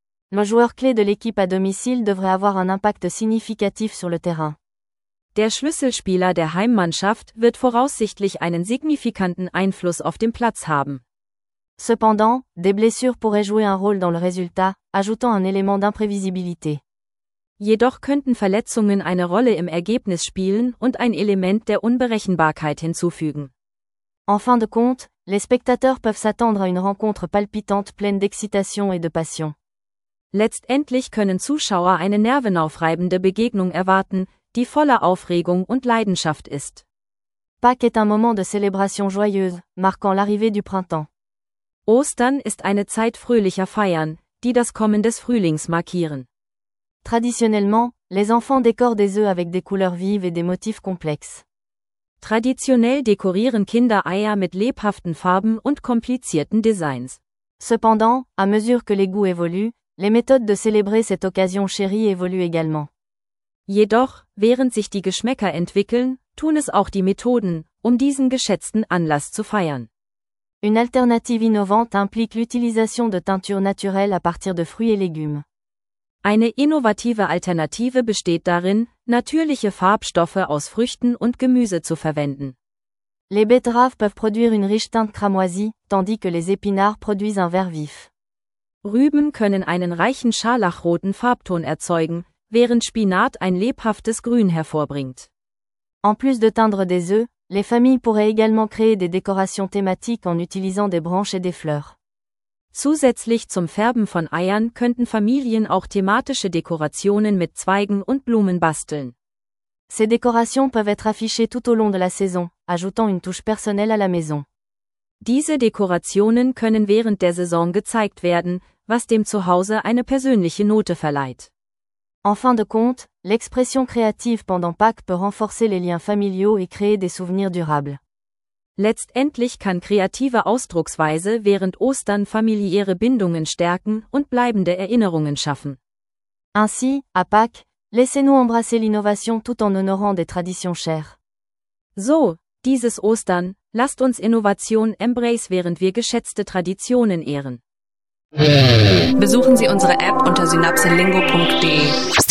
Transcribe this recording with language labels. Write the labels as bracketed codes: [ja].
[fr] Le joueur clé de l'équipe à domicile devrait avoir un impact significatif sur le terrain. [de] Der Schlüsselspieler der Heimmannschaft wird voraussichtlich einen signifikanten Einfluss auf den Platz haben. [fr] Cependant, des blessures pourraient jouer un rôle dans le résultat, ajoutant un élément d'imprévisibilité. [de] Jedoch könnten Verletzungen eine Rolle im Ergebnis spielen und ein Element der Unberechenbarkeit hinzufügen. [fr] En fin de compte, les spectateurs peuvent s'attendre à une rencontre palpitante pleine d'excitation et de passion. [de] Letztendlich können Zuschauer eine nervenaufreibende Begegnung erwarten, die voller Aufregung und Leidenschaft ist. [fr] Pâques est un moment de célébration joyeuse, marquant l'arrivée du printemps. [de] Ostern ist eine Zeit fröhlicher Feiern, die das Kommen des Frühlings markieren. [fr] Traditionnellement, les enfants décorent des œufs avec des couleurs vives et des motifs complexes. [de] Traditionell dekorieren Kinder Eier mit lebhaften Farben und komplizierten Designs. [fr] Cependant, à mesure que les goûts évoluent, les méthodes de célébrer cette occasion chérie évoluent également. [de] Jedoch, während sich die Geschmäcker entwickeln, tun es auch die Methoden, um diesen geschätzten Anlass zu feiern. [fr] Une alternative innovante implique l'utilisation de teintures naturelles à partir de fruits et légumes. [de] Eine innovative Alternative besteht darin, natürliche Farbstoffe aus Früchten und Gemüse zu verwenden. [fr] Les betteraves peuvent produire une riche teinte cramoisie, tandis que les épinards produisent un vert vif. [de] Rüben können einen reichen scharlachroten Farbton erzeugen, während Spinat ein lebhaftes Grün hervorbringt. [fr] En plus de teindre des œufs, les familles pourraient également créer des décorations thématiques en utilisant des branches et des fleurs. [de] Zusätzlich zum Färben von Eiern könnten Familien auch thematische Dekorationen mit Zweigen und Blumen basteln. [fr] Ces décorations peuvent être affichées tout au long de la saison, ajoutant une touche personnelle à la maison. [de] Diese Dekorationen können während der Saison gezeigt werden, was dem Zuhause eine persönliche Note verleiht. [fr] En fin de compte, l'expression créative pendant Pâques peut renforcer les liens familiaux et créer des souvenirs durables. [de] Letztendlich kann kreative Ausdrucksweise während Ostern familiäre Bindungen stärken und bleibende Erinnerungen schaffen. [fr] Ainsi, à Pâques, laissez-nous embrasser l'innovation tout en honorant des traditions chères. [de] So, dieses Ostern, lasst uns Innovation embrace, während wir geschätzte Traditionen ehren. Besuchen Sie unsere App unter synapsenlingo.de.